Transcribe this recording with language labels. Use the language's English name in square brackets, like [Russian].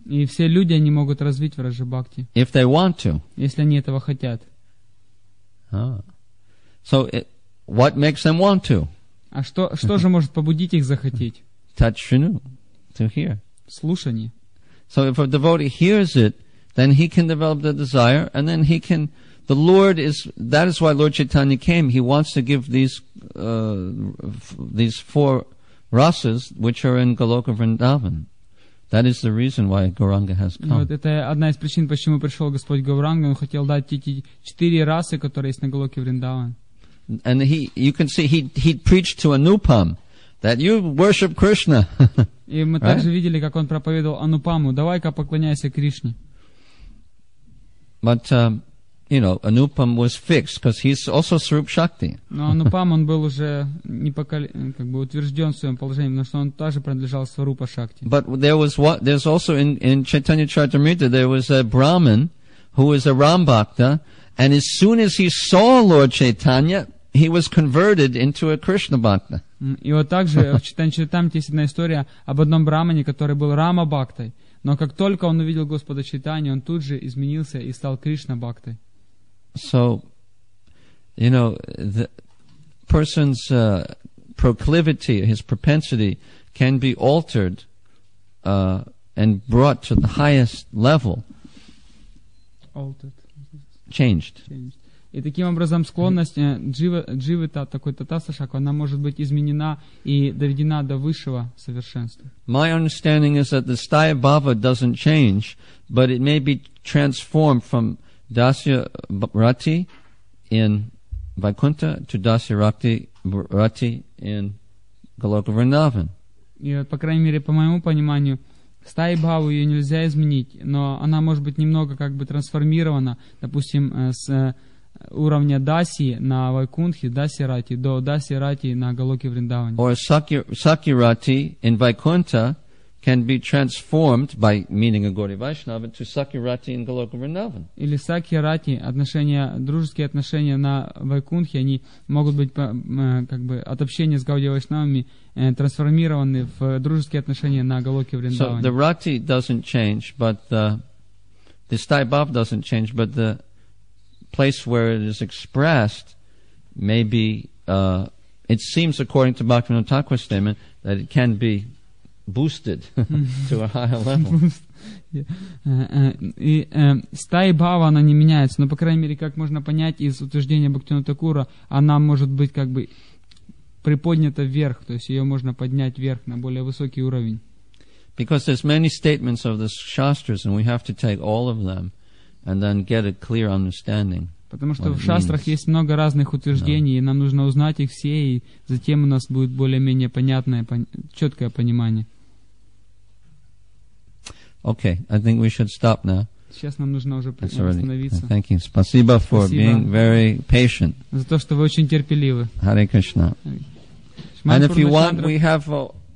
[Russian] И все люди, они могут развить Враджа Бхакти. [English] If they want to. [Russian] Если они этого хотят. [English] So what makes them want to? [Russian] А что же может побудить их захотеть? [English] Touch Shrinu, to hear. [Russian] Слушание. [English] So if a devotee hears it, then he can develop the desire, and then he can... The Lord is, that is why Lord Chaitanya came. He wants to give these four rasas, which are in Goloka Vrindavan. That is the reason why Gauranga has come. [Russian] Вот это одна из причин, почему пришел Господь Гауранга. Он хотел дать эти четыре расы, которые есть на Голоке Вриндаван. [English] And you can see he preached to Anupam that you worship Krishna. [Russian] И мы также видели, как он проповедовал Анупаму: давай-ка поклоняйся Кришне. [English] But you know, Anupam was fixed because he's also Sarup Shakti. [Russian] Но Анупам он был уже не как бы утвержден в своем положении, потому что он тоже принадлежал Сарупа Шакти. [English] But there was what there's also in Chaitanya Charitamrita there was a Brahmin who was a Rambhakta, and as soon as he saw Lord Chaitanya, he was converted into a Krishna Bhakta. [Russian] И вот также в Чайтанья Чаритамрите есть одна история об одном брамане, который был Рама Бхактой. Но как только он увидел Господа Чайтанью, он тут же изменился и стал Кришна Бхактой. [English] So, you know, the person's proclivity, his propensity can be altered and brought to the highest level. Altered. Changed. [Russian] И таким образом склонность дживита, такой татасашак, она может быть изменена и доведена до высшего совершенства. [English] My understanding is that the sthaya bhava doesn't change, but it may be transformed from dasya rati in Vaikuntha to dasya rati in Goloka Vrindavan. [Russian] И вот, по крайней мере, по моему пониманию, стаи бхаву ее нельзя изменить, но она может быть немного как бы трансформирована, допустим, с уровня даси на Вайкунтхе, даси рати, до даси рати на Голоке Вриндаване. [English] Or саки рати in Vaikuntha can be transformed by meaning a Gauri Vaishnava to саки рати in Голоке Вриндаване. [Russian] Или саки рати, отношения, дружеские отношения на Вайкунтхе, они могут быть как бы от общения с Гауди Вайшнавами трансформированы в дружеские отношения на Голоке Вриндаване. [English] So the rati doesn't change, but the stai bhav doesn't change, but the place where it is expressed, maybe it seems according to Bhaktivinoda Thakura's statement that it can be boosted to a higher level. [Russian] И стаи бхава она не меняется, но по крайней мере, как можно понять из утверждения Бхактивинода Такура, она может быть как бы приподнята вверх, то есть ее можно поднять вверх на более высокий уровень. [English] Because there's many statements of the shastras, and we have to take all of them and then get a clear understanding. [Russian] Потому что в шастрах есть много разных утверждений, и нам нужно узнать их все, и затем у нас будет более-менее понятное, четкое понимание. [English] Okay, I think we should stop now. [Russian] Сейчас нам нужно уже остановиться. [English] Thank you. [Russian] Спасибо [English] for being very patient. [Russian] За то, что вы очень терпеливы. [English] Hare Krishna. And if you want, we have